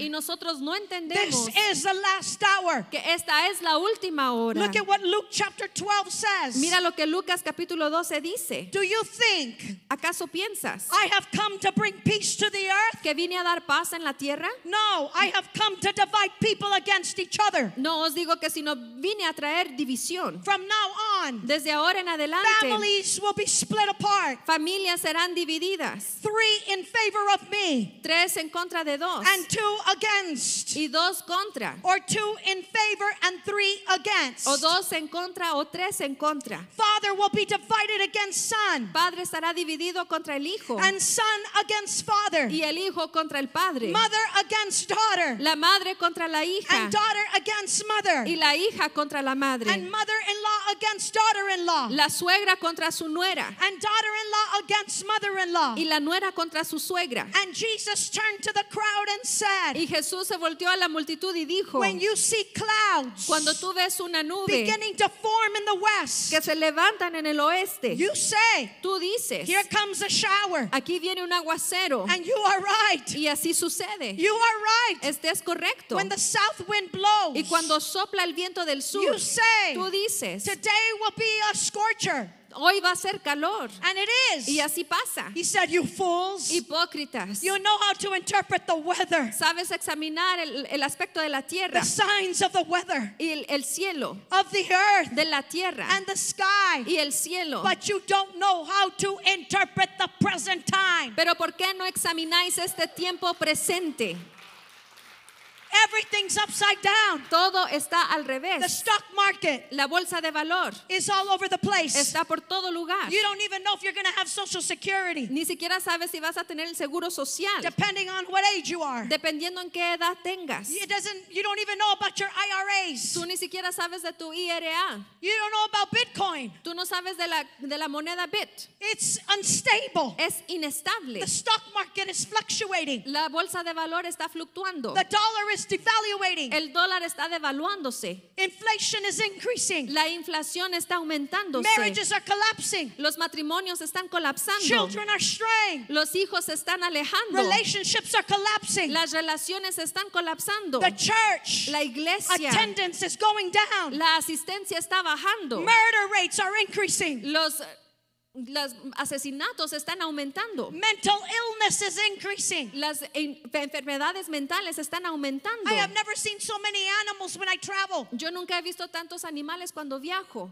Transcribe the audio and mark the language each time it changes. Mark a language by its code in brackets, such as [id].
[es] Y nosotros no entendemos. [en] This is the last hour. [es] Que esta es la última hora. [en] Look at what Luke chapter 12 says. [es] Mira lo que Lucas capítulo 12 dice. [en] Do you think, [es] ¿acaso piensas, [en] I have come to bring peace to the earth? [es] Que vine a dar paz en la tierra? [en] No, I have come to divide people against each other. [es] No os digo que sino vine a traer división. [en] From now on, [es] desde ahora en adelante, [en] families will be split apart. [es] Familias serán divididas. [en] Three in favor of me. [es] Tres en contra de dos. [en] And two against. [es] Y dos contra. [en] Or two in favor and three against. [es] O dos en contra o tres en contra. [en] Father will be divided against son. [es] Padre estará dividido contra el hijo. [en] And son against father. [es] Y el hijo contra el padre. [en] Mother against daughter. [es] La madre contra la hija. [en] And daughter against mother. [es] Y la hija contra la madre. [en] And mother-in-law against daughter-in-law. [es] La suegra contra su nuera. [en] And daughter-in-law against mother-in-law. [es] Y la nuera contra su suegra. [en] And Jesus turned to the crowd and said. [es] Y Jesús se volteó a la multitud y dijo. [en] When you see clouds. [es] Cuando tú ves una nube. [en] Beginning to form in the west. [es] Que se levantan en el oeste. [en] You say, [es] tú dices, [en] here comes a shower. [es] Aquí viene un aguacero. [en] And you are right. [es] Y así sucede. [en] You are right. [es] Estés correcto. [en] When the south wind blows. [es] Y cuando sopla el viento del sur. [en] You say, [es] tú dices, [en] today will be a scorcher. [es] Hoy va a ser calor. [en] And it is. [es] Y así pasa. [en] He said, you fools. [es] Hipócritas. [en] You know how to interpret the weather. [es] Sabes examinar el aspecto de la tierra. [en] The signs of the weather. [es] Y el cielo. [en] Of the earth. [es] De la tierra. [en] And the sky. [es] Y el cielo. [en] But you don't know how to interpret the present time. [es] Pero ¿por qué no examináis este tiempo presente? [en] Everything's upside down. [es] Todo está al revés. [en] The stock market, [es] la bolsa de valor, [en] is all over the place. [es] Está por todo lugar. [en] You don't even know if you're going to have social security. [es] Ni siquiera sabes si vas a tener el seguro social. [en] Depending on what age you are. [es] Dependiendo en qué edad tengas. [en] You don't even know about your IRAs. [es] Tú ni siquiera sabes de tu IRA. [en] You don't know about Bitcoin. [es] Tú no sabes de la moneda Bit. [en] It's unstable. [es] Es inestable. [en] The stock market is fluctuating. [es] La bolsa de valor está fluctuando. [en] The dollar is devaluating. [es] El dólar está devaluándose. [en] Inflation is increasing. [es] La inflación está aumentándose. [en] Marriages are collapsing. [es] Los matrimonios están colapsando. [en] Children are straying. [es] Los hijos están alejando. [en] Relationships are collapsing. [es] Las relaciones están colapsando. [en] The church, [es] la iglesia, [en] attendance is going down. [es] La asistencia está bajando. [en] Murder rates are increasing. [es] Los asesinatos están aumentando. [en] Mental illness is increasing. [es] Las enfermedades mentales están aumentando. [en] I have never seen so many animals when I travel. [es] Yo nunca he visto tantos animales cuando viajo.